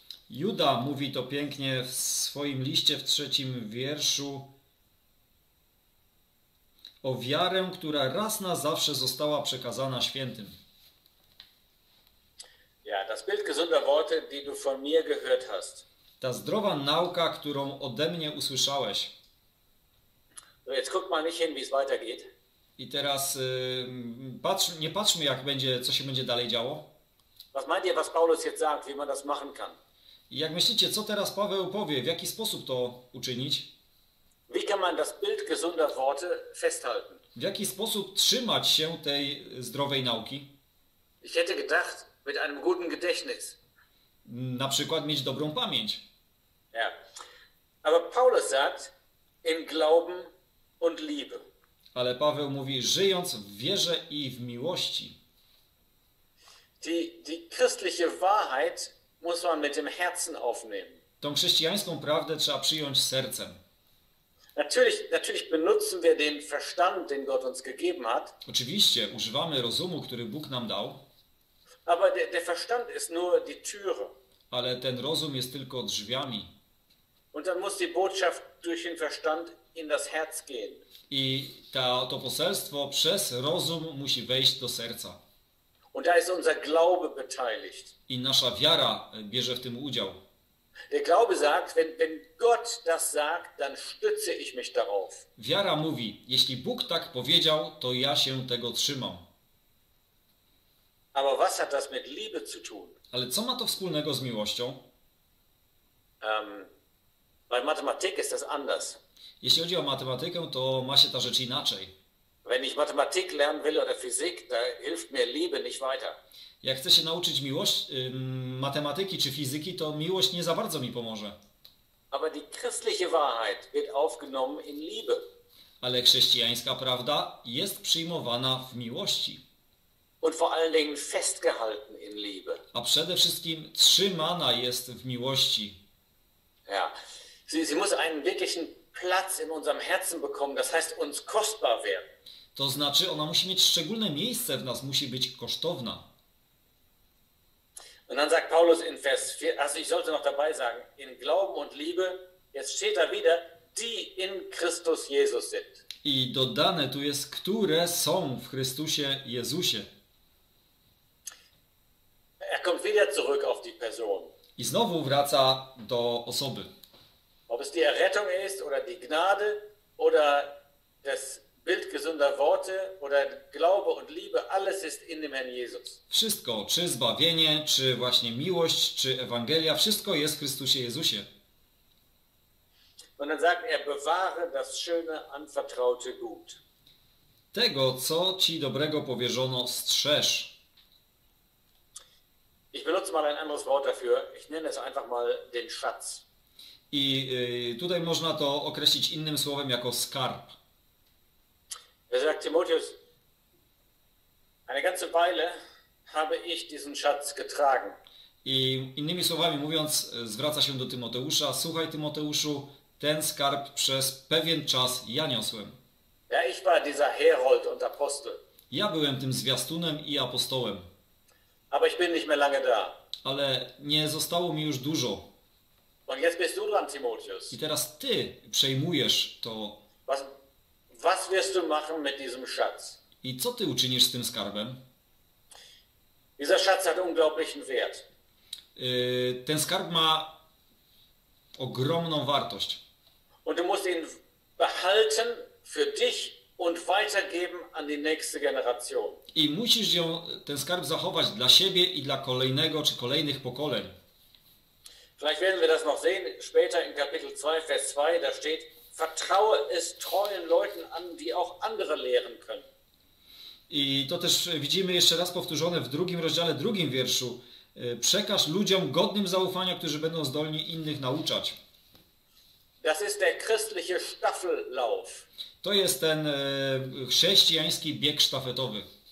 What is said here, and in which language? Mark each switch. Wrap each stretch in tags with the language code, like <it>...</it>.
<pl>Juda mówi to pięknie w swoim liście w trzecim wierszu o wiarę, która raz na zawsze została przekazana świętym.</pl> <de>Ja, das Bild gesunder Worte, die du von mir gehört hast.</de> <pl>Ta zdrowa nauka, którą ode mnie usłyszałeś.</pl> <de>No jetzt guck mal nicht hin, wie es weitergeht.</de> <pl>I teraz nie patrzmy, jak będzie, co się będzie dalej działo.</pl> <de>Was meint ihr, was Paulus jetzt sagt, wie man das machen kann?</de> <pl>I jak myślicie, co teraz Paweł powie, w jaki sposób to uczynić?</pl> <de>Wie kann man das Bild gesunder Worte festhalten?</de> <pl>W jaki sposób trzymać się tej zdrowej nauki?</pl> <de>Ich hätte gedacht, mit einem guten Gedächtnis.</de> <pl>Na przykład mieć dobrą pamięć.</pl> <de>Ja. Aber Paulus sagt, im Glauben und Liebe.</de> <pl>Ale Paweł mówi, żyjąc w wierze i w miłości.</pl> <de>Die christliche Wahrheit muss man mit dem Herzen aufnehmen.</de> <pl>Tą chrześcijańską prawdę trzeba przyjąć sercem.</pl> <de>Natürlich benutzen wir den Verstand, den Gott uns gegeben hat.</de> <pl>Oczywiście używamy rozumu, który Bóg nam dał.</pl> <de>Aber der Verstand ist nur die Türe.</de> <pl>Ale ten rozum jest tylko drzwiami.</pl> <de>Und dann muss die Botschaft durch den Verstand in das Herz gehen.</de> <pl>I to poselstwo przez rozum musi wejść do serca.</pl> <de>Und da ist unser Glaube beteiligt.</de> <pl>I nasza wiara bierze w tym udział.</pl> <de>Der Glaube sagt, wenn Gott das sagt, dann stütze ich mich darauf.</de> <pl>Wiara mówi, jeśli Bóg tak powiedział, to ja się tego trzymam.</pl> <de>Aber was hat das mit Liebe zu tun?</de> <pl>Ale co ma to wspólnego z miłością?</pl> <de>Bei Mathematik ist das anders.</de> <pl>Jeśli chodzi o matematykę, to ma się ta rzecz inaczej.</pl> <de>Wenn ich Mathematik lernen will oder Physik, da hilft mir Liebe nicht weiter.</de> <pl>Jak chcę się nauczyć miłość, matematyki czy fizyki, to miłość nie za bardzo mi pomoże.</pl> <de>Aber die christliche Wahrheit wird aufgenommen in Liebe.</de> <pl>Ale chrześcijańska prawda jest przyjmowana w miłości.</pl> <de>Und vor allen Dingen festgehalten in Liebe.</de> <pl>A przede wszystkim trzymana jest w miłości.</pl> <de>Ja. Sie muss einen wirklichen Platz in unserem Herzen bekommen, das heißt uns kostbar werden.</de> <pl>To znaczy, ona musi mieć szczególne miejsce w nas, musi być kosztowna.</pl> <de>Und dann sagt Paulus in Vers 4, also ich sollte noch dabei sagen, in Glauben und Liebe, jetzt steht da wieder, die in Christus Jesus sind.</de> <pl>I dodane tu jest, które są w Chrystusie Jezusie.</pl> <de>Er kommt wieder zurück auf die Person.</de> <pl>I znowu wraca do osoby.</pl> <de>Ob es die Errettung ist, oder die Gnade, oder das Bild gesunder Worte oder Glaube und Liebe, alles ist in dem Herrn Jesus.</de> <pl>Wszystko, czy zbawienie, czy właśnie miłość, czy Ewangelia, wszystko jest w Chrystusie Jezusie.</pl> <de>Und dann sagt er, bewahre das schöne, anvertraute Gut.</de> <pl>Tego, co ci dobrego powierzono, strzeż.</pl> <de>Ich benutze mal ein anderes Wort dafür. Ich nenne es einfach mal den Schatz.</de> <pl>I tutaj można to określić innym słowem jako skarb.</pl> <de>Er sagt Timotheus, eine ganze Weile habe ich diesen Schatz getragen.</de> <pl>I innymi słowami mówiąc, zwraca się do Tymoteusza, słuchaj Tymoteuszu, ten skarb przez pewien czas ja niosłem.</pl> <de>Ja, ich war dieser Herold und Apostel.</de> <pl>Ja byłem tym zwiastunem i apostołem.</pl> <de>Aber ich bin nicht mehr lange da.</de> <pl>Ale nie zostało mi już dużo.</pl> <de>Und jetzt bist du dran, Timotheus.</de> <pl>I teraz ty przejmujesz to.</pl> <de>Was wirst du machen mit diesem Schatz?</de> <pl>I co ty uczynisz z tym skarbem?</pl> <de>Dieser Schatz hat unglaublichen Wert.</de> <pl>Ten skarb ma ogromną wartość.</pl> <de>Und du musst ihn behalten für dich und weitergeben an die nächste Generation.</de> <pl>I musisz ją, ten skarb zachować dla siebie i dla kolejnego czy kolejnych pokoleń.</pl> <de>Vielleicht werden wir das noch sehen später in Kapitel 2, Vers 2, da steht. Vertraue es treuen Leuten an, die auch andere lehren können.</de> <pl>I to też widzimy jeszcze raz powtórzone w drugim rozdziale, drugim wierszu. Przekaż ludziom godnym zaufania, którzy będą zdolni innych nauczać.</pl> <de>Das ist der christliche Staffellauf.</de> <pl>To jest ten chrześcijański bieg sztafetowy.</pl>